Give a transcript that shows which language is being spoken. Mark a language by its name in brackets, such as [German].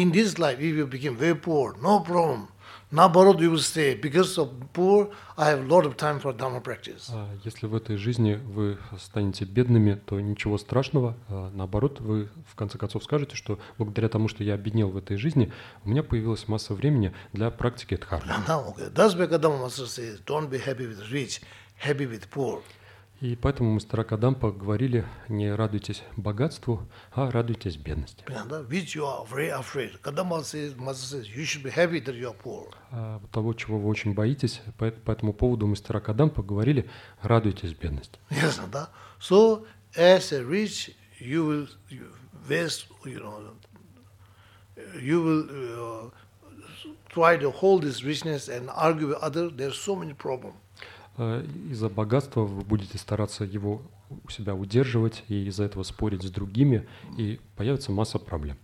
[English] In this life, if you become very poor, no problem. [Russian] Наоборот, [English] you will say, because of poor, I have a lot of time for dharma practice. [Russian] А если в этой жизни вы станете бедными, то ничего страшного. Наоборот, вы в конце концов скажете, что благодаря тому, что я обеднел в этой жизни, у меня появилась масса времени для практики дхармы. Да, окей. [English] That's why Kadampa Master says, don't be happy with rich, happy with poor. [Russian] И поэтому мастера Кадампа говорили, не радуйтесь богатству, а радуйтесь бедности. Понятно, да? [English] Which you are very afraid. Kadampa Master says, you should be happy that you are poor. [Russian] Того, чего вы очень боитесь, по этому поводу мастера Кадампа говорили, радуйтесь бедности. Ясно, да? [English] So, as a rich, you will waste, you will try to hold this richness and argue with others, there are so many problems. [Russian] Из-за богатства вы будете стараться его у себя удерживать и из-за этого спорить с другими, и появится масса проблем.